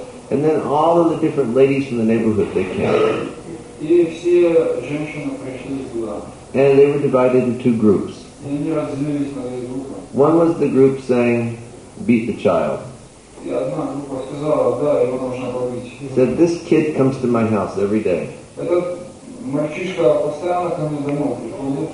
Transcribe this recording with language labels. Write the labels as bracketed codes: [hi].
[en] And then all of the different ladies from the neighborhood, they came. [ru] и все женщины пришли туда. [en] And they were divided into two groups. [ru] И они разделились на две группы. [en] One was the group saying, "Beat the child." [ru] И одна группа сказала, да, его нужно побить. [en] Said this kid comes to my house every day. [ru] Этот мальчишка постоянно ко мне домой приходит.